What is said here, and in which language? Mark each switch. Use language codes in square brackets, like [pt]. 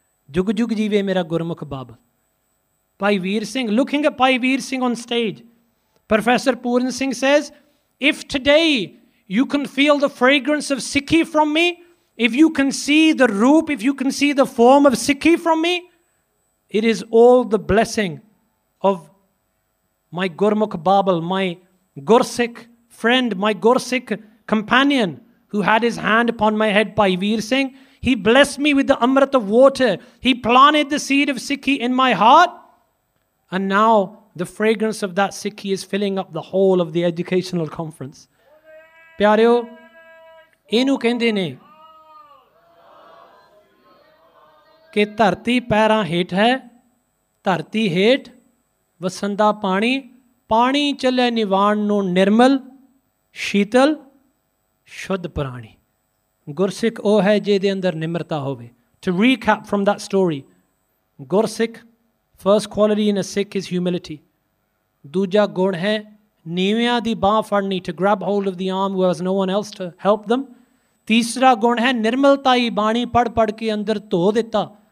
[pa] ਜੁਗ ਜੁਗ ਜੀਵੇ ਮੇਰਾ ਗੁਰਮੁਖ ਬਾਬਲ। [en] Bhai Vir Singh, looking a Bhai Vir Singh on stage, professor Puran Singh says, if today you can feel the fragrance of Sikhi from me, if you can see the roop, if you can see the form of Sikhi from me, it is all the blessing of my Gurmukh Babal, my Gursikh friend, my Gursikh companion who had his hand upon my head, Bhai Veer Singh. He blessed me with the Amrit of water. He planted the seed of Sikhi in my heart. And now the fragrance of that Sikhi is filling up the whole of the educational conference. [pa] Pyareo, inu kende ne ke tarti paira het hai, tarti het ਵਸੰਦਾ ਪਾਣੀ, ਪਾਣੀ ਚੱਲੇ ਨਿਵਾਣ ਨੂੰ ਨਿਰਮਲ ਸ਼ੀਤਲ ਸ਼ੁੱਧ ਪ੍ਰਾਣੀ। ਗੁਰਸਿੱਖ ਉਹ ਹੈ ਜਿਹਦੇ ਅੰਦਰ ਨਿਮਰਤਾ ਹੋਵੇ। [en] To recap from that story, Gursikh first quality in a Sikh is humility. [pa] ਦੂਜਾ ਗੁਣ ਹੈ ਨੀਵਿਆਂ ਦੀ ਬਾਂਹ ਫੜਨੀ, [en] To grab hold of the arm who has no one else to help them. [pa] ਤੀਸਰਾ ਗੁਣ ਹੈ ਨਿਰਮਲਤਾ ਹੀ, ਬਾਣੀ ਪੜ੍ਹ ਪੜ੍ਹ ਕੇ ਅੰਦਰ ਧੋ ਦਿੱਤਾ।